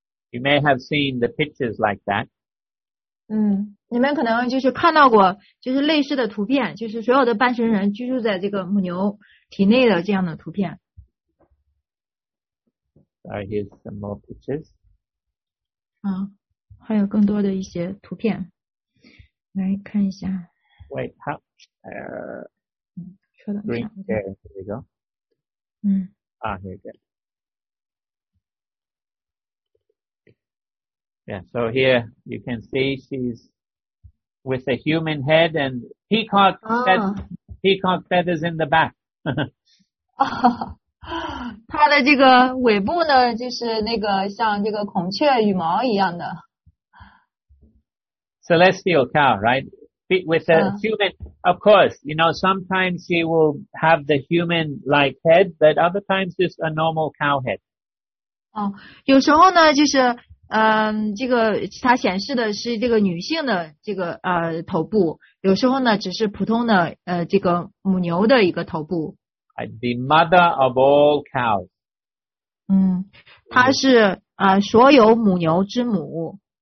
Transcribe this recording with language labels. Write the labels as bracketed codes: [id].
[en] You may have seen the pictures like that. [zh] 你们可能就是看到过，就是类似的图片，就是所有的半神人居住在这个母牛体内的这样的图片。 [en] Sorry, here's some more pictures. [zh] 还有更多的一些图片。来看一下。 [en] Wait, how? [zh] 稍等一下。 [en] Green, there we go. Here we go. Yeah, so here you can see she's with a human head and peacock peacock feathers in the back. [zh] 她的这个尾部呢，就是那个像这个孔雀羽毛一样的。 [en] Celestial cow, right? With a human, of course, you know, sometimes she will have the human-like head, but other times just a normal cow head. [zh] 有时候呢，就是这个它显示的是这个女性的这个头部，有时候呢只是普通的这个母牛的一个头部。 [en] The mother of all cows. [zh] 它是所有母牛之母。